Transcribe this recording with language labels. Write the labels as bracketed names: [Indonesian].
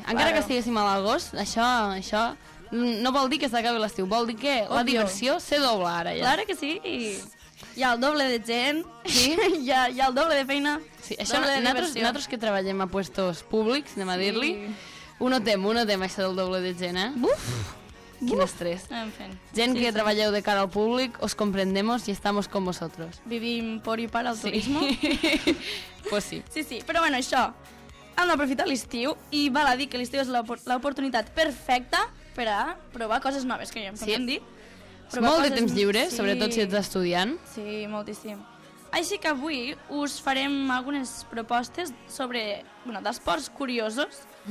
[Catalan] Encara que estiguéssim a l'agost, això no vol dir que s'acabi l'estiu. Vol dir que la diversió se dobla ara ja. Clar que sí. Hi ha el doble de gent, sí? hi ha el doble de feina. Sí, això nosaltres que treballem a puestos públics, anem a dir-li, ho notem, això del doble de gent, eh? Buf! Quin estrès. En fin. Gent que treballeu de cara al públic, [Spanish] os comprendemos y estamos con vosotros. Vivim por y para el turismo. Pues sí. [Catalan] Sí, sí, però bueno, això, hem d'aprofitar l'estiu i val a dir que l'estiu és l'oportunitat perfecta per a provar coses noves, que ja sí. Hem dit. Provar molt de temps lliure, sí. Sobretot si ets estudiant. Sí, moltíssim. Així que avui us farem algunes propostes sobre, bueno, d'esports curiosos.